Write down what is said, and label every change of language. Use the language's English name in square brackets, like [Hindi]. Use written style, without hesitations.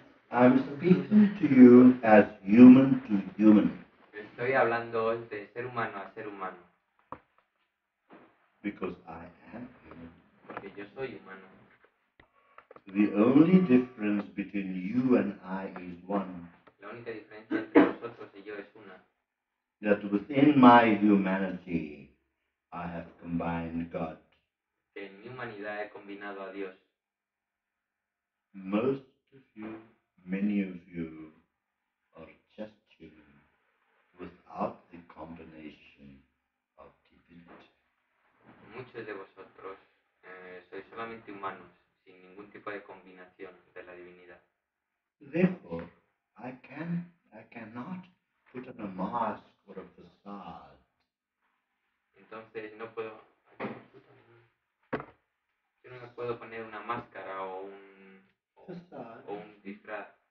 [English] I'm speaking to you as human to human. [Spanish] Estoy hablando de ser humano a ser humano. [English] Because I am human. [Spanish] Porque yo soy humano. [English] The only difference between you and I is one. [Spanish] La única diferencia entre nosotros y yo es una. [English] That within my humanity, I have combined God. [Spanish] En mi humanidad he combinado a Dios. [English] Most of you, many of you, are just human without the combination of divinity. [Spanish] Muchos de vosotros sois solamente humanos, sin ningún tipo de combinación de la divinidad. [English] Therefore, I cannot put on a mask or a facade. [Spanish] entonces no puedo, yo no me puedo poner una máscara o un o un disfraz.